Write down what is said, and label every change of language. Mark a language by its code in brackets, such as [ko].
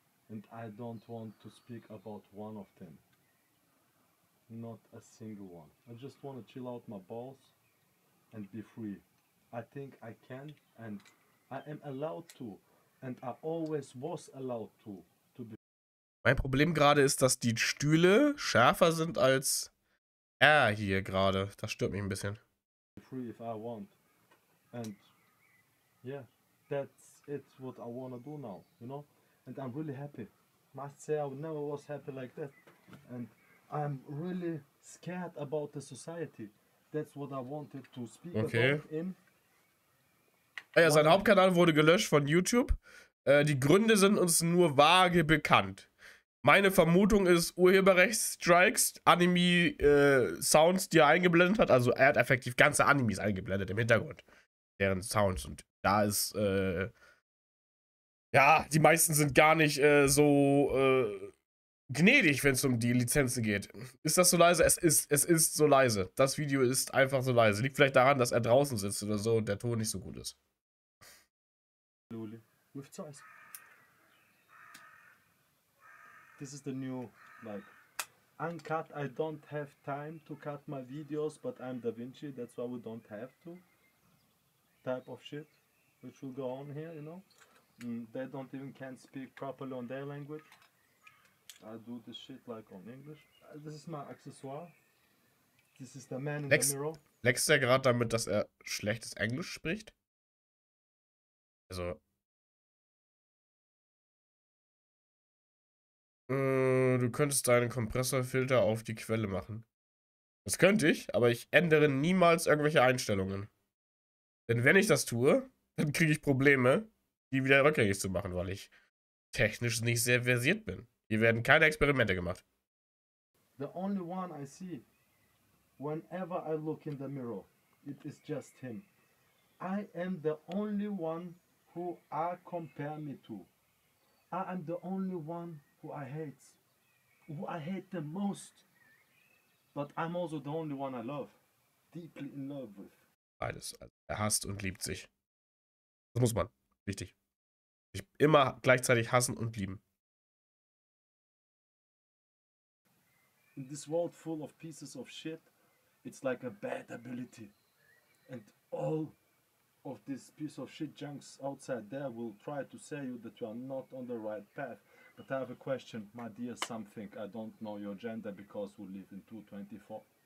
[en] And I don't want to speak about one of them. Not a single one. I just want to chill out my balls and be free. I think I can and I am allowed to. And I always was allowed to be. [de] Mein Problem gerade ist, dass die Stühle schärfer sind als er hier gerade. Das stört mich ein bisschen. [en] Free if I want. And yeah, that's it, what I wanna do now, you know? And I'm really happy. Must say I never was happy like that. And I'm really scared about the society. That's what I wanted to speak about in. [de] Ja, sein Hauptkanal wurde gelöscht von YouTube. Die Gründe sind uns nur vage bekannt. Meine Vermutung ist Urheberrechtsstrikes, Anime-Sounds, die er eingeblendet hat. Also er hat effektiv ganze Animes eingeblendet im Hintergrund. Deren Sounds. Und da ist, die meisten sind gar nicht gnädig, wenn es um die Lizenzen geht. Ist das so leise? Es ist so leise. Das Video ist einfach so leise. Liegt vielleicht daran, dass er draußen sitzt oder so und der Ton nicht so gut ist. [en] With Zeus. This is the new, like, uncut. I don't have time to cut my videos, but I'm Da Vinci, that's why we don't have to. Type of shit, which will go on here, you know? They don't even can speak properly on their language. I do this shit, like, on English. This is my accessoire. This is the man in the mirror. [de] Lex ist ja gerade damit, dass er schlechtes Englisch spricht. Also. Du könntest deinen Kompressorfilter auf die Quelle machen. Das könnte ich, aber ich ändere niemals irgendwelche Einstellungen. Denn wenn ich das tue, dann kriege ich Probleme, die wieder rückgängig zu machen, weil ich technisch nicht sehr versiert bin. Hier werden keine Experimente gemacht. [en] The only one I see, whenever I look in the mirror, it is just him. I am the only one who I compare me to. I am the only one who I hate the most, but I'm also the only one I love, deeply in love with. [de] Beides, er hasst und liebt sich. Das muss man, wichtig. Sich immer gleichzeitig hassen und lieben. [en] In this world full of pieces of shit, it's like a bad ability. And all of this piece of shit junks outside there will try to say you that you are not on the right path. But I have a question, my dear something. I don't know your gender because we live in 2024.